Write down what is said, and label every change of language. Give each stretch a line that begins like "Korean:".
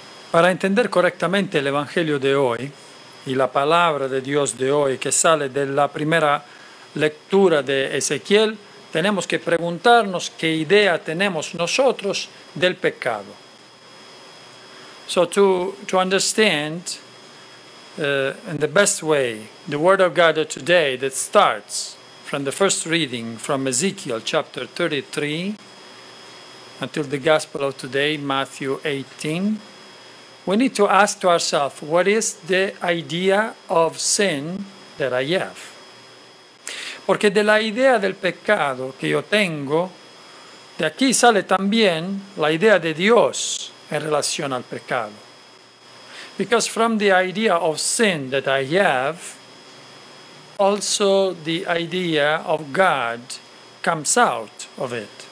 Spanish: Para entender correctamente el Evangelio de hoy y la palabra de Dios de hoy que sale de la primera lectura de Ezequiel, tenemos que preguntarnos qué idea tenemos nosotros del pecado.
English: So to understand in the best way the word of God today that starts from the first reading from Ezekiel chapter 33 until the gospel of today, Matthew 18, we need to ask to ourselves, what is the idea of sin that I have?
Spanish: Porque de la idea del pecado que yo tengo, de aquí sale también la idea de Dios en relación al pecado.
English: Because from the idea of sin that I have, also the idea of God comes out of it.